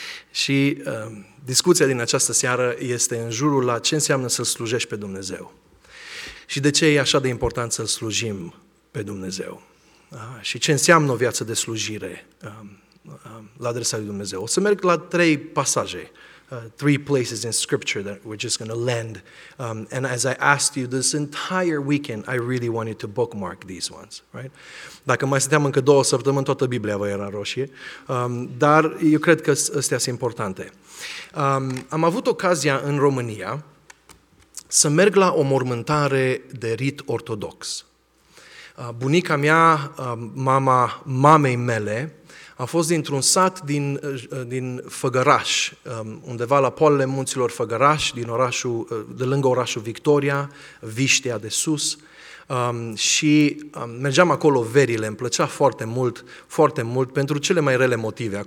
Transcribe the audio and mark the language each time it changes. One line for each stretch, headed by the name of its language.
Romanian: Și discuția din această seară este în jurul la ce înseamnă să-L slujești pe Dumnezeu. Și de ce e așa de important să-L slujim pe Dumnezeu. Și ce înseamnă o viață de slujire la adresa lui Dumnezeu. O să merg la trei pasaje.
English: Three places in scripture that we're just going to land. And as I asked you this entire weekend, I really wanted to bookmark these ones, right?
Romanian: Dacă mai stăteam încă două săptămâni, toată Biblia vă era roșie. Dar eu cred că astea sunt importante. Am avut ocazia în România să merg la o mormântare de rit ortodox. Bunica mea, mama mamei mele, a fost dintr-un sat din Făgăraș, undeva la poalele munților Făgăraș, din orașul, de lângă orașul Victoria, Viștea de sus, și mergeam acolo verile, îmi plăcea foarte mult, foarte mult, pentru cele mai rele motive.